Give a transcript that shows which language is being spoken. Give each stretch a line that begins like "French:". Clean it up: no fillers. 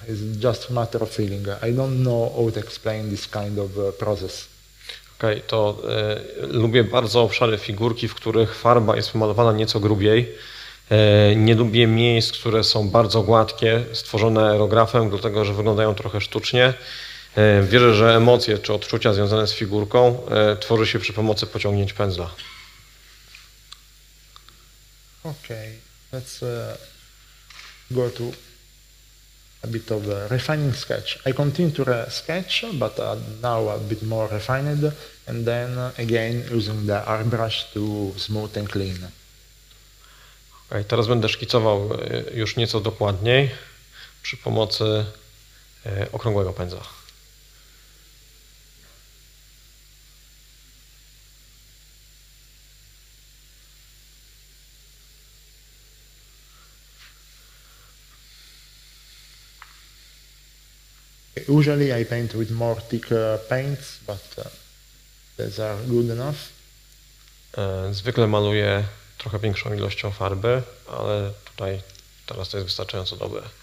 English: It's just a matter of feeling. I don't know how to explain this kind of process.
Polish: Okej, to lubię bardzo obszary figurki, w których farba jest pomalowana nieco grubiej. Nie lubię miejsc, które są bardzo gładkie, stworzone aerografem, dlatego że wyglądają trochę sztucznie. Wierzę, że emocje czy odczucia związane z figurką tworzy się przy pomocy pociągnięć pędzla.
English: Okay, let's go to a bit of a refining sketch. I continue to sketch, but now a bit more refined, and then again using the airbrush to smooth and clean.
Polish: Okay, teraz będę szkicował już nieco dokładniej przy pomocy okrągłego pędzla.
English: Usually I paint with more thick paints, but these are good enough.
Polish: Zwykle maluję trochę większą ilością farby, ale tutaj teraz to jest wystarczająco dobre.